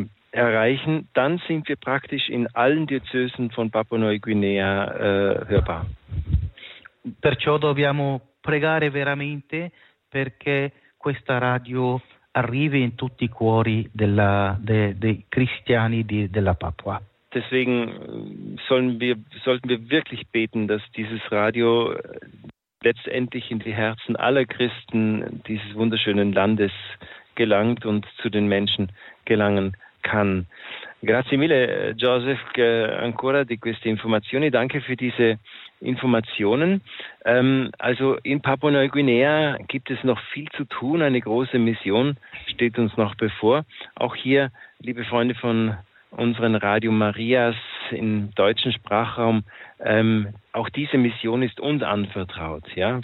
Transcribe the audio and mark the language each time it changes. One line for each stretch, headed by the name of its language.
German: erreichen, dann sind wir praktisch in allen Diözesen von Papua-Neuguinea hörbar.
Italian: Perciò dobbiamo pregare veramente perché questa radio arrivi in tutti i cuori dei cristiani della Papua.
German: Deswegen sollten wir wirklich beten, dass dieses Radio letztendlich in die Herzen aller Christen dieses wunderschönen Landes gelangt und zu den Menschen gelangen kann.
Italian: Grazie mille, Joseph, ancora di queste informazioni.
German: Danke für diese Informationen. Also in Papua-Neuguinea gibt es noch viel zu tun. Eine große Mission steht uns noch bevor. Auch hier, liebe Freunde von unseren Radio Marias im deutschen Sprachraum, auch diese Mission ist uns anvertraut. Ja?